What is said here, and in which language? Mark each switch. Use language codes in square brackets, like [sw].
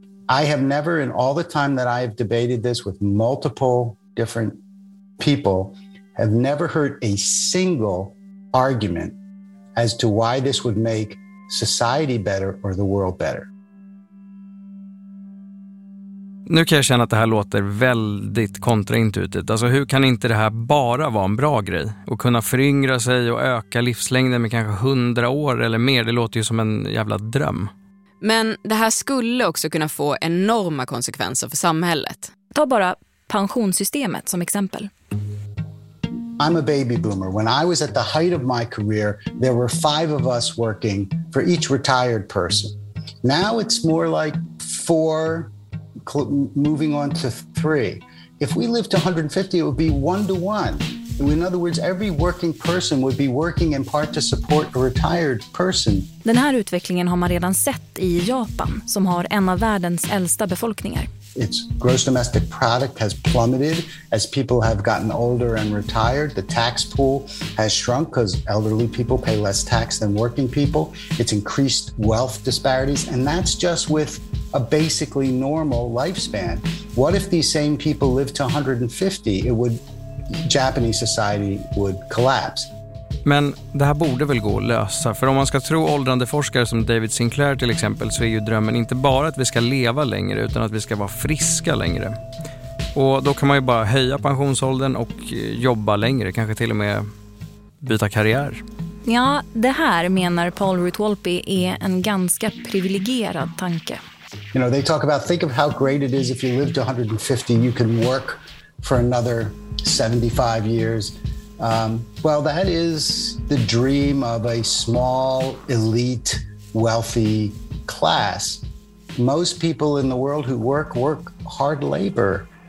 [en] I have never, in all the time that I've debated this with multiple different people, have never heard a single argument as to why this would make society better or the world better. [sv] Nu kan jag känna att det här låter väldigt kontraintuitivt. Alltså hur kan inte det här bara vara en bra grej? Och kunna föryngra sig och öka livslängden med kanske 100 år eller mer, det låter ju som en jävla dröm. Men det här skulle också kunna få enorma konsekvenser för samhället. Ta bara pensionssystemet som exempel. [en] I'm a baby boomer. When I was at the height of my career, there were 5 of us working for each retired person. Now it's more like 4... moving on to 3. If we live to 150, it would be 1-to-1. In other words, every working person would be working in part to support a retired person. [sv] Den här utvecklingen har man redan sett i Japan, som har en av världens äldsta befolkningar. [en] Its gross domestic product has plummeted as people have gotten older and retired. The tax pool has shrunk because elderly people pay less tax than working people. It's increased wealth disparities, and that's just with a basically normal lifespan. What if these same people live to 150? Japanese society would collapse. [sv] Men det här borde väl gå att lösa. För om man ska tro åldrande forskare som David Sinclair till exempel, så är ju drömmen inte bara att vi ska leva längre, utan att vi ska vara friska längre. Och då kan man ju bara höja pensionsåldern och jobba längre. Kanske till och med byta karriär. Ja, det här menar Paul Root-Wolpe är en ganska privilegierad tanke. [en] You know, they talk about, think of how great it is if you live to 150, you can work for another 75 years. Well, that is the dream of a small, elite, wealthy class. Most people in the world who work hard labor.